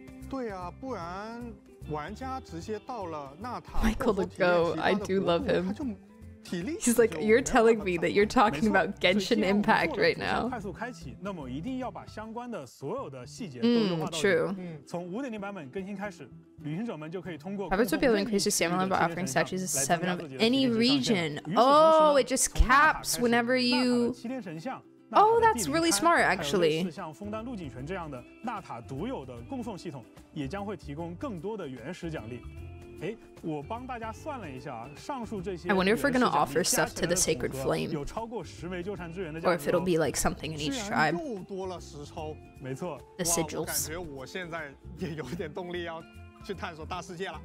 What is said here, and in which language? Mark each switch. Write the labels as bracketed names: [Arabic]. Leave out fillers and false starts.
[Chinese] 对啊，不然玩家直接到了纳塔。 [English] Michael the Goat, I do love him. He's like, you're telling me that you're talking about Genshin Impact right now. [Chinese] 快速开启，那么一定要把相关的所有的细节都从5.0版本更新开始，旅行者们就可以通过。 [English] I would be able to increase the stamina by offering statues of 7 of any region. Oh, it just caps whenever you. Oh, that's really smart, actually. [Chinese] 像枫丹路景泉这样的纳塔独有的供奉系统，也将会提供更多的原始奖励。哎，我帮大家算了一下，上述这些。 [English] I wonder if we're gonna offer stuff to the Sacred Flame. [Chinese] 有超过十枚纠缠之源的。 [English] Or if it'll be like something in each tribe. [Chinese] 居然又多了十抽，没错。 [English] The sigils. [Chinese] 感觉我现在也有点动力要去探索大世界了。